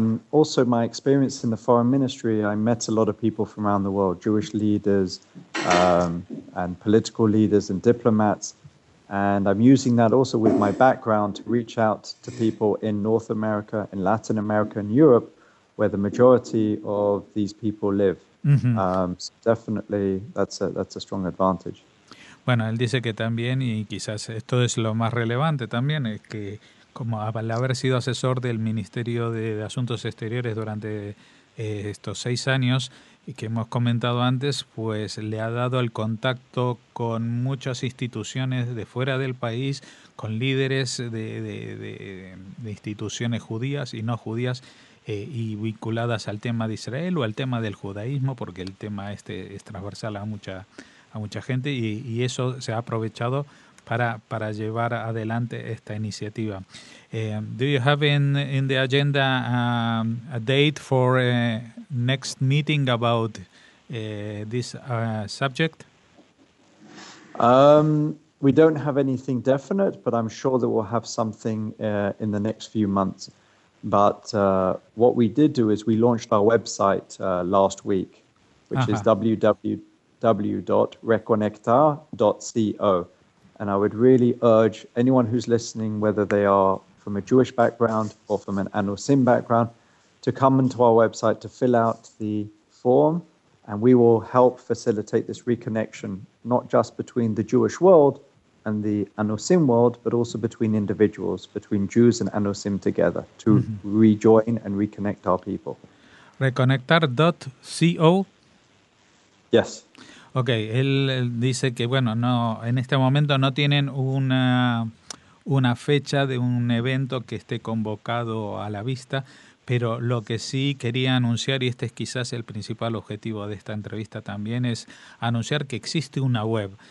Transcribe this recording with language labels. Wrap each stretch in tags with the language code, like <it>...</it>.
<en>Also, my experience in the foreign ministry, I met a lot of people from around the world, Jewish leaders and political leaders and diplomats. And I'm using that also with my background to reach out to people in North America, in Latin America and Europe, where the majority of these people live. Mm-hmm. So definitely, that's a strong advantage.</en> <es>Bueno, él dice que también, y quizás esto es lo más relevante también, es que como al haber sido asesor del Ministerio de Asuntos Exteriores durante estos 6 años, y que hemos comentado antes, pues le ha dado el contacto con muchas instituciones de fuera del país, con líderes de instituciones judías y no judías, y vinculadas al tema de Israel o al tema del judaísmo, porque el tema este es transversal a mucha gente, y eso se ha aprovechado para llevar adelante esta iniciativa.</es> <en>Do you have in the agenda a date for a next meeting about this subject? We don't have anything definite, but I'm sure that we'll have something in the next few months. But what we did do is we launched our website last week, which is www.reconectar.co. And I would really urge anyone who's listening, whether they are from a Jewish background or from an Anusim background, to come into our website to fill out the form. And we will help facilitate this reconnection, not just between the Jewish world and the Anusim world, but also between individuals, between Jews and Anusim together, to rejoin and reconnect our people. Reconectar.co? Yes.</en> <es>Okay, él dice que, bueno, no, en este momento no tienen una fecha de un evento que esté convocado a la vista, pero lo que sí quería anunciar, y este es quizás el principal objetivo de esta entrevista también, es anunciar que existe una web.</es>